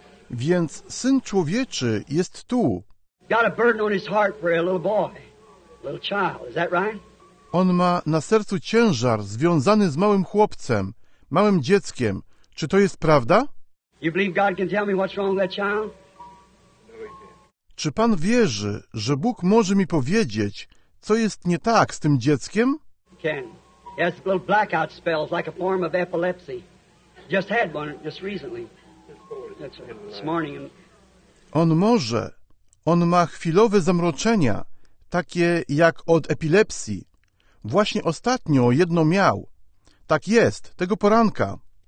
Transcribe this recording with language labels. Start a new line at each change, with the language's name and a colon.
Polish: Więc Syn Człowieczy jest tu.
English: Got a burden on his heart for a little boy, a little child. Is that right?
Polish: On ma na sercu ciężar związany z małym chłopcem, małym dzieckiem. Czy to jest prawda?
English: You believe God can tell me what's wrong with that child?
Polish: Czy Pan wierzy, że Bóg może mi powiedzieć, co jest nie tak z tym dzieckiem?
English: Can. He has little blackout spells, like a form of epilepsy. Just had one just recently. This morning.
Polish: On może. On ma chwilowe zamroczenia, takie jak od epilepsji. Właśnie ostatnio jedno miał. Tak jest, tego poranka.